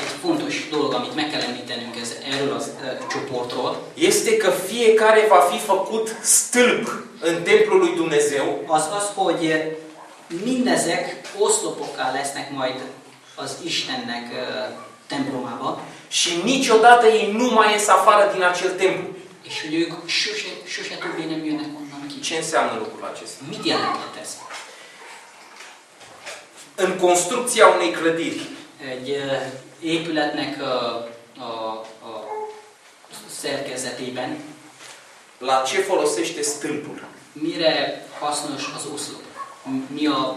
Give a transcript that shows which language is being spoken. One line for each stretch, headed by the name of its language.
Hungarian: Egy fontos dolog, amit meg kell említenünk ez erről az csoportról.
Romanian: Este că fiecare va fi făcut stâlp în templul lui Dumnezeu.
Hungarian: Az, hogy mindezek oszlopokká lesznek majd az Istennek templomába.
Romanian: Și niciodată ei nu mai ies afară din acel templu.
Hungarian: És hogy ők sose többé nem jönnek onnan ki.
Romanian: Ce înseamnă lucrul acesta?
Hungarian: Mit jelentett ez?
Romanian: În construcția unei clădiri.
Hungarian: Egy épületnek a szerkezetében?
Romanian: La ce folosește stâlpul?
Hungarian: Mire hasznos az oszlop? Mi a...